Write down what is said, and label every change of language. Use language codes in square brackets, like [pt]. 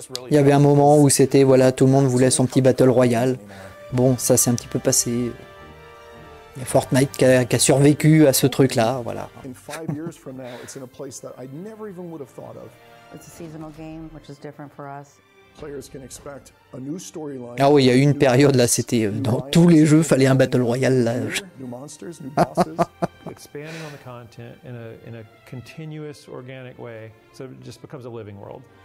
[fr] Il y avait un moment où c'était, voilà, tout le monde voulait son petit Battle Royale. Bon, ça s'est un petit peu passé. Il y a Fortnite qui a survécu à ce truc-là, voilà. [en] In 5 years from now, it's in a place that I never even would have thought of. It's a seasonal game, which is different for us. Players can expect a new storyline. [fr] Ah oui, il y a eu une période là, c'était dans tous les jeux, fallait un Battle Royale là. [en] New monsters, new bosses. Expanding on the content in a continuous, organic way, so it just becomes a living world.